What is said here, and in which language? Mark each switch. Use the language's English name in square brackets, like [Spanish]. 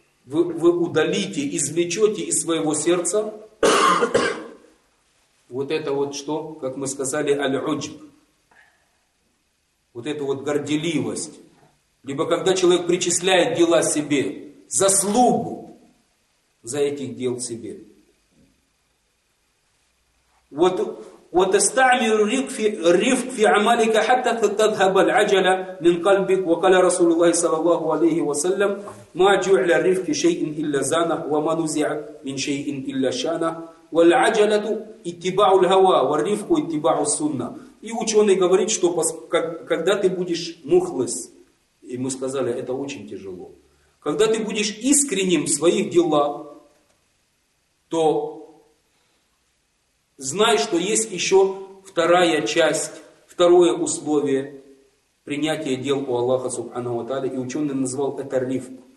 [Russian] Вы удалите, извлечете из своего сердца вот это вот что, как мы сказали, аль-уджб. Вот эту вот горделивость. Либо когда человек причисляет дела себе, заслугу за этих дел себе. Вот [Arabic] استعمل رفق في عملك حتى تذهب العجلة من قلبك وقال رسول الله صلى الله عليه وسلم ما جعل الرفق شيء إلا زانه وما نزع من شيء إلا شانه. والعجلة اتباع الهوى والرفق اتباع السنة. [Russian] И ученый говорит, что когда ты будешь мухлыс, и мы сказали, это очень тяжело, когда ты будешь искренним в своих делах, то знай, что есть еще вторая часть, второе условие принятия дел у Аллаха Субхану ва Тааля, и ученый назвал это рифк.